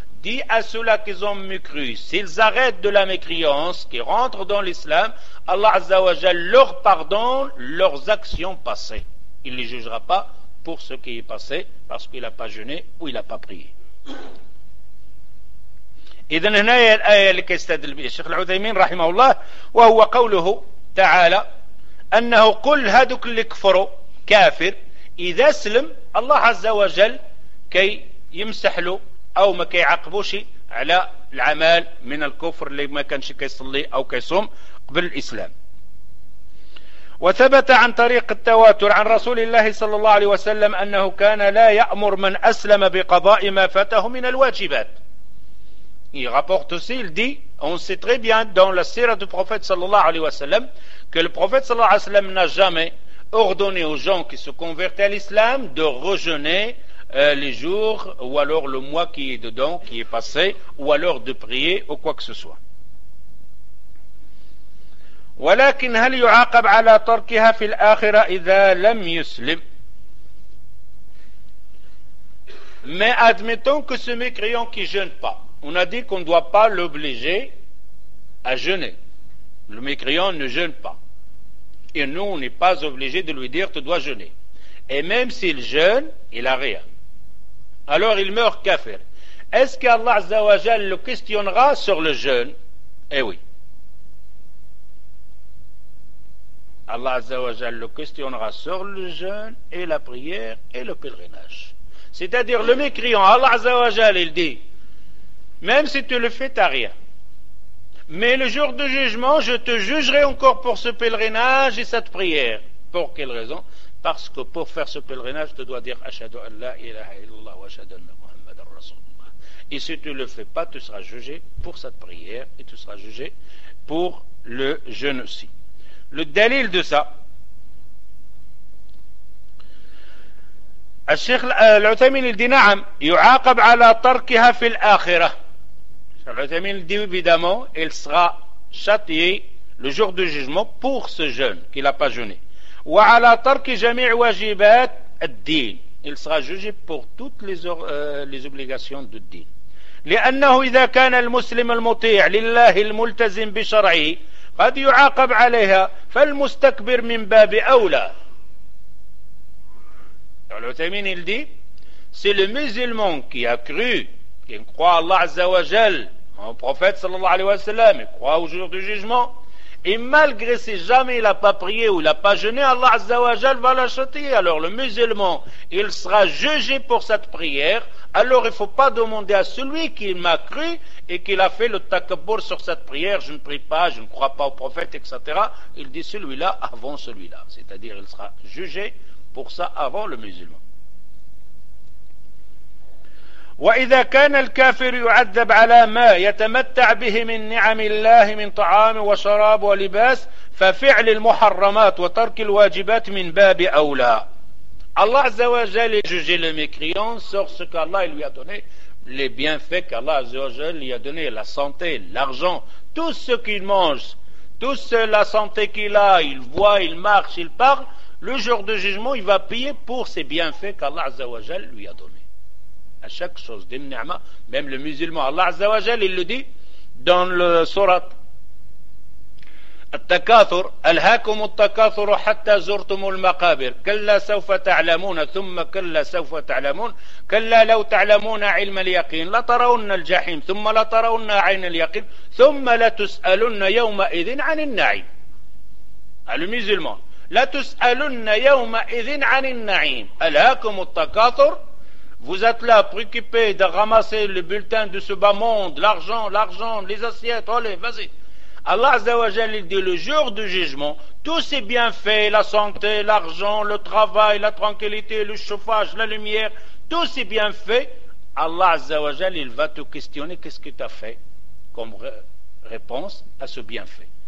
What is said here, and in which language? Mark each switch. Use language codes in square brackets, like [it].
[fr] Dit à ceux-là qu'ils ont mécru, s'ils arrêtent de la mécréance, qui rentrent dans l'islam, Allah Azza wa Jalla leur pardonne leurs actions passées. Il ne les jugera pas pour ce qui est passé parce qu'il n'a pas jeûné ou il n'a pas prié. [ar] إذن هنا هي الآية اللي كيستدل بها الشيخ العثيمين رحمه الله وهو قوله تعالى أنه قل هذوك اللي كفروا كافر إذا سلم الله عز وجل كي يمسح له او ما كيعاقبوش على العمل من الكفر اللي ما كانش كيصلي او كيصوم قبل الاسلام. وثبت عن طريق التواتر عن رسول الله صلى الله عليه وسلم انه كان لا يأمر من اسلم بقضاء ما فاته من الواجبات. [fr] Il rapporte aussi, il dit, on sait très bien dans la sira du prophète sallallahu alayhi wa sallam que le prophète sallallahu alayhi wa sallam n'a jamais ordonné aux gens qui se convertaient à l'islam de rejeûner les jours ou alors le mois qui est dedans, qui est passé, ou alors de prier ou quoi que ce soit. [ar] ولكن هل يعاقب على تركها في الآخرة إذا لم يسلم؟ [fr] Mais admettons que ce mécréant qui jeûne pas. On a dit qu'on ne doit pas l'obliger à jeûner. Le mécréant ne jeûne pas. Et nous, on n'est pas obligé de lui dire « tu dois jeûner ». Et même s'il jeûne, il n'a rien. Alors il meurt kafir. Est-ce qu'Allah Azza wa Jal le questionnera sur le jeûne ? Eh oui. Allah Azza wa Jal le questionnera sur le jeûne et la prière et le pèlerinage. C'est-à-dire le mécréant, Allah Azza wa Jal, il dit « même si tu le fais, t'as rien. Mais le jour du jugement, je te jugerai encore pour ce pèlerinage et cette prière. Pour quelle raison? Parce que pour faire ce pèlerinage, tu dois dire « Ashhadu an la ilaha illallah wa ashhadu anna Muhammad ar-Rasulullah ». Et si tu ne le fais pas, tu seras jugé pour cette prière et tu seras jugé pour le jeûne aussi. Le dalil de ça... [ar] الشيخ العثيمين يقول نعم يعاقب على تركها في الآخرة. العثيمين يقول [fr] évidemment il sera châtié le jour du jugement pour ce jeûne qu'il n'a pas jeûné. [ar] وعلى ترك جميع واجبات الدين. [fr] Il sera jugé pour toutes les obligations du din. [ar] لأنه إذا كان المسلم المطيع لله الملتزم بشرعه قد يعاقب عليها فالمستكبر من باب أولى. [fr] Alors, l'Othémine, il dit, c'est le musulman qui a cru, qui croit à Allah Azza wa Jal, au prophète sallallahu alayhi wa sallam, il croit au jour du jugement, et malgré si jamais il n'a pas prié ou il n'a pas jeûné, Allah Azza wa Jal va l'acheter. Alors, le musulman, il sera jugé pour cette prière, alors il ne faut pas demander à celui qui m'a cru et qui a fait le takabur sur cette prière, je ne prie pas, je ne crois pas au prophète, etc. Il dit, celui-là avant celui-là. C'est-à-dire, il sera jugé pour ça avant le musulman. [ar] وإذا كان الكافر يعذب على ما يتمتع به من نعم الله من طعام وشراب ولباس ففعل المحرمات وترك الواجبات من باب أولى. [fr] الله عز وجل juge le mécréant sur ce qu'Allah lui a donné, les bienfaits qu'Allah عز وجل lui a donné, la santé, l'argent, tout ce qu'il mange, tout ce la santé qu'il a, il voit, il marche, il parle. Le jour du jugement, il va payer pour ses bienfaits qu'Allah Azza wa Jal lui a donné. À chaque chose d'une ni'ma, même le musulman, Allah Azza wa Jal, il le dit dans le surat. [ar] التكاثر ألهاكم التكاثر حتى زرتم المقابر كلا سوف تعلمون ثم كلا سوف تعلمون كلا لو تعلمون علم اليقين لترون الجحيم ثم لترون عين اليقين ثم لتسألن يومئذ عن النعيم. [fr] Le musulman, [ar] لَتُسْأَلُنَّ يَوْمَئِذٍ عَنِ النَّعِيمِ أَلْهَاكُمُ التَّكَاثُرُ. [fr] Vous êtes là préoccupé de ramasser le bulletin de ce bas monde, l'argent, les assiettes, allez, vas-y. Allah Azza wa Jal, il dit le jour du jugement, tous ces bienfaits, la santé, l'argent, le travail, la tranquillité, le chauffage, la lumière, tous ces bienfaits, Allah Azza wa Jal, il va te questionner qu'est-ce que tu as fait comme réponse à ce bienfait.